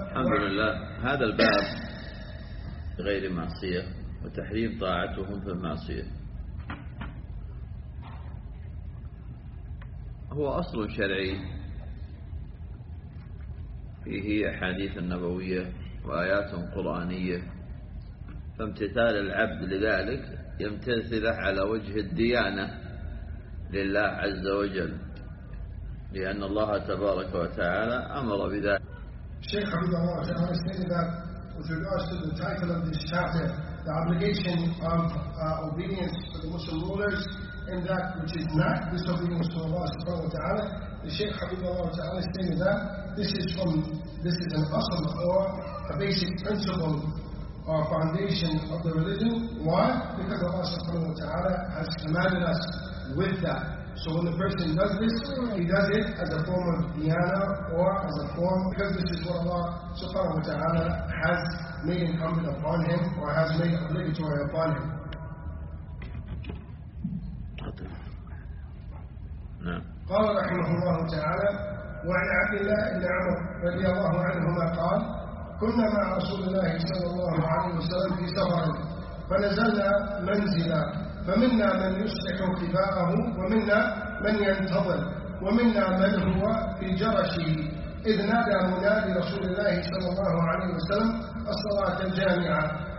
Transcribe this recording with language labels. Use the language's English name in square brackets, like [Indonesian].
[Arabic] الحمد لله هذا الباب غير معصية وتحريم طاعتهم في المعصية هو أصل شرعي فيه أحاديث نبوية وآيات قرآنية، فامتثال العبد لذلك يمتثل على وجه الديانة لله عز وجل، لأن الله تبارك وتعالى أمر بذلك. شيخ عبد الله تعالى استنبت [English] with regards to the title of this chapter, the obligation of obedience to the Muslim rulers and that which is not disobedience to Allah subhanahu wa ta'ala, the Shaykh Habibullah ta'ala stated that this is an asl or a basic principle or foundation of the religion. Why? Because Allah subhanahu wa ta'ala has commanded us with that. So when the person does this, he does it as a form of diyana or as a form, because this is what Allah subhanahu wa ta'ala has made incumbent upon him or has made obligatory upon him. [Arabic] قال رحمه الله تعالى وعن عبد الله بن عمر رضي الله عنهما قال كنا مع رسول الله صلى الله عليه وسلم في سفر فنزلنا منزلا فمنا من يصلح خفاءه ومنا من ينتظر ومنا من هو في جرشه إذ نادى منادي رسول الله صلى الله عليه وسلم الصلاة الجامعة